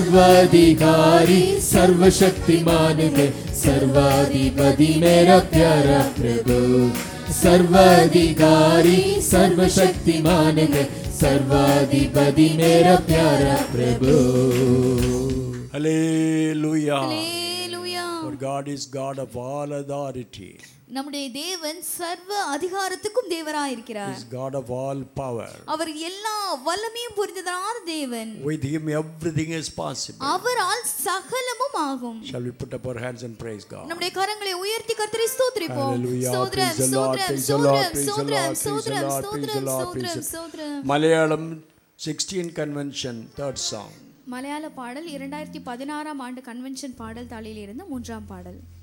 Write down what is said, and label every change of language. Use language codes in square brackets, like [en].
[hi] सर्वाधिकारी सर्वशक्तिमान है सर्वाधिपति मेरा प्यारा प्रभु। सर्वाधिकारी सर्वशक्तिमान है सर्वाधिपति मेरा प्यारा प्रभु। Hallelujah hallelujah. [en] और God is God of all authority. [ta] நம்முடைய தேவன் சர்வ அதிகாரத்துக்கும் தேவராய் இருக்கிறார். [en] He is God of all power. [ta] அவர் எல்லா வல்லமையும் புரிந்ததனால் தேவன். [en] With him everything is possible. [ta] அவரால் சகலமும் ஆகும். [en] Shall we put up our hands and praise God? [ta] நம்முடைய கரங்களை உயர்த்தி கர்த்தரை ஸ்தோத்திரிப்போம். [en] Hallelujah. Praise the Lord. Praise the Lord. Praise the Lord. Praise the Lord. Praise the Lord. Praise the Lord. Malayalam 16 convention 3rd song. [ta] மலையாள பாடல் 2016 ஆண்டு convention பாடல் தாளில் இருந்து 3rd பாடல்.